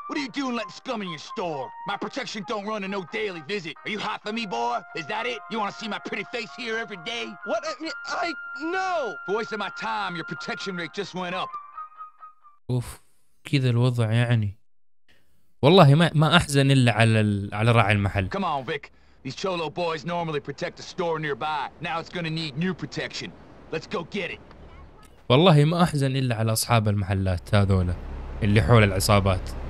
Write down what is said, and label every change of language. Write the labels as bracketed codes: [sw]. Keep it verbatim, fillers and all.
[en] What are you doing letting scum in your store? My protection don't run to no daily visit. Are you hot for me, boy? Is that it? You want to see my pretty face here every day? What? I, I no! For wasting my time, your protection rate just went up. [ar] أوف كذا الوضع يعني. والله ما ما أحزن إلا على على راعي المحل. [en] Come on, Vic. These Cholo boys normally protect a store nearby. Now it's gonna need new protection. Let's go get it. [ar] والله ما أحزن إلا على أصحاب المحلات هذولا اللي حول العصابات.